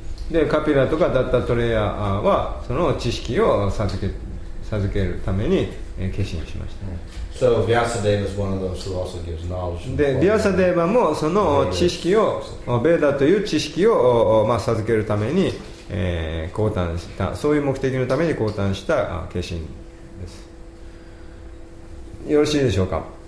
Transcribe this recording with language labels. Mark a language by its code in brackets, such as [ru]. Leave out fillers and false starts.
[ja] で、カピラとかダッタトレイヤーはその知識を授けるために決心しました。 [en] So Vyasadeva is one of those who also gives knowledge. [ja] で、ヴィアサデーバもその知識をベーダという知識を、まあ、授けるために、降誕した、そういう目的のために降誕した決心です。よろしいでしょうか。